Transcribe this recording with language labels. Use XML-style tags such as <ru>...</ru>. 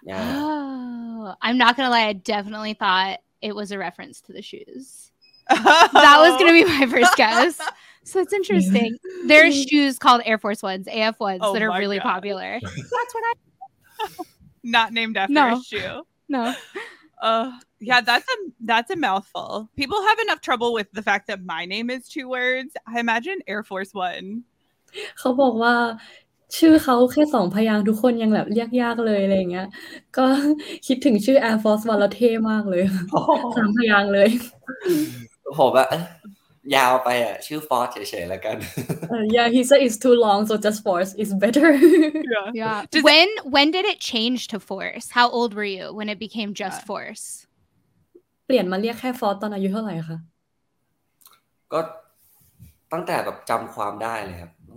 <en>I'm not gonna lie I definitely thought it was a reference to the shoes That was gonna be my first guess. So it's interesting. There are shoes called Air Force Ones, AF Ones, that are really popular. That's what I not named after a shoe. No. Yeah, that's a mouthful. People have enough trouble with the fact that my name is two words. I imagine Air Force One.</en> <th>เขาบอกว่าชื่อเขาแค่สองพยางค์ทุกคนยังแบบเรียกยากเลยอะไรเงี้ยก็คิดถึงชื่อ Air Force One แล้วเท่มากเลยสามพยางค์เลย ผมอะยาวไปอะชื่อ Force เฉยๆแล้วกัน</th> <en>Yeah he said it's too long so just Force is better Yeah when did it change to Force How old were you when it became just Force</en> <th>เปลี่ยนมาเรียกแค่ Force ตอนอายุเท่าไหร่คะ ก็ตั้งแต่แบบจำความได้เลยครับ</th>